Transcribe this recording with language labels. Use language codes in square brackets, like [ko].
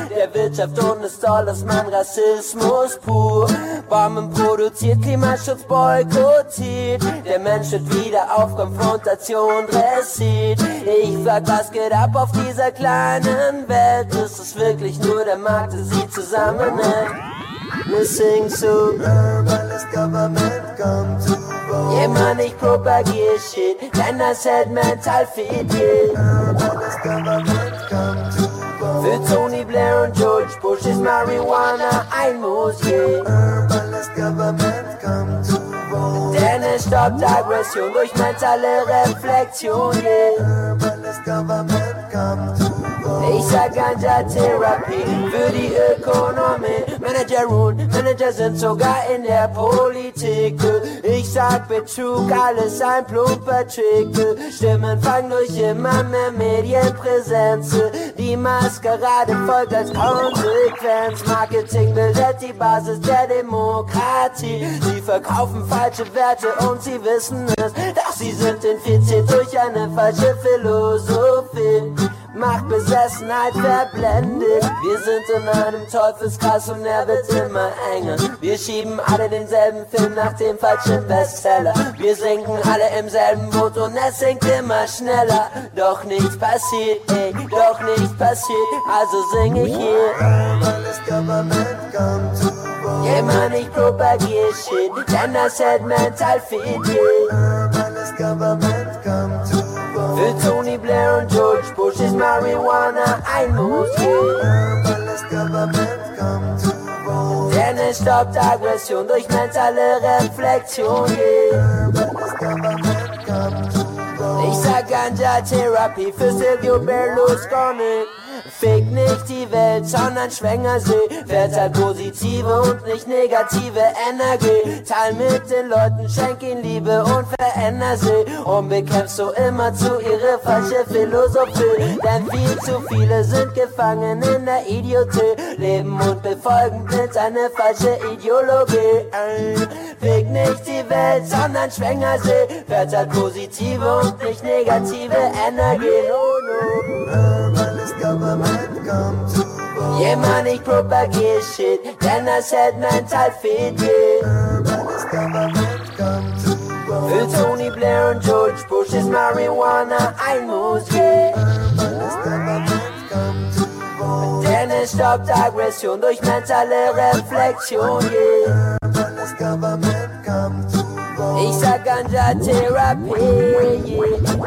[de] Der Wirtschaft und des Dollars, Mann, Rassismus pur. Bomben produziert, Klimaschutz boykottiert. Der Mensch wird wieder auf Konfrontation dressiert. Ich frag, was geht ab auf dieser kleinen Welt? Ist es wirklich nur der Markt, der sie zusammenhält? [en] Listen to Herbalist Government come to vote. Yeah, man, [de] ich propagier shit, denn das hält mental fit, yeah. [en] Herbalist Government come to vote. [de] Für Tony Blair und George Bush ist Marihuana ein Muss, yeah. [en] Herbalist Government come to vote. [de] Denn es stoppt Aggression durch mentale Reflexion, yeah. [en] Herbalist Government come to vote. [de] Ich sag Ganja-Therapie für die Ökonomie. Manager ruhen, Manager sind sogar in der Politik. Ich sag Betrug, alles ein plumper Trick. Stimmen fangen durch immer mehr Medienpräsenz. Die Maskerade folgt als Konsequenz. Marketing bildet die Basis der Demokratie. Sie verkaufen falsche Werte und sie wissen es. Doch sie sind infiziert durch eine falsche Philosophie. Machtbesessenheit verblendet. Wir sind in einem Teufelskreis und er wird immer enger. Wir schieben alle denselben Film nach dem falschen Bestseller. Wir sinken alle im selben Boot und es sinkt immer schneller. Doch nichts passiert, ey, doch nichts passiert. Also sing ich hier. [en] Herbalist Government come to vote. Yeah, man, [de] ich propagier shit, denn das hält mental fit, yeah. [en] Herbalist Government come to vote. [de] Für Tony Blair und George Bush ist Marihuana ein Muss. [en] Herbalist Government come to vote. [de] Denn es stoppt Aggression durch mentale Reflexion. [en] Herbalist Government come to vote. [de] Ich sag Ganja-Therapie für Silvio Berlusconi. Fick nicht die Welt, sondern schwänger sie. Verteil positive und nicht negative Energie. Teil mit den Leuten, schenk ihnen Liebe und veränder sie. Und bekämpfst du immer zu ihre falsche Philosophie. Denn viel zu viele sind gefangen in der Idiotie. Leben und befolgen mit eine falsche Ideologie. Fick nicht die Welt, sondern schwänger sie. Verteil positive und nicht negative Energie. [en] No, no. Government come to vote. Yeah, man, [de] ich propagier shit, denn das hält mental fit, yeah. [en] Government come to vote. [de] Für Tony Blair und George Bush ist Marihuana ein Muss, yeah. [en] Government come to vote. [de] Denn es stoppt Aggression durch mentale Reflexion, yeah. [en] Government come to vote. [de] Ich sag Ganja-Therapie, yeah.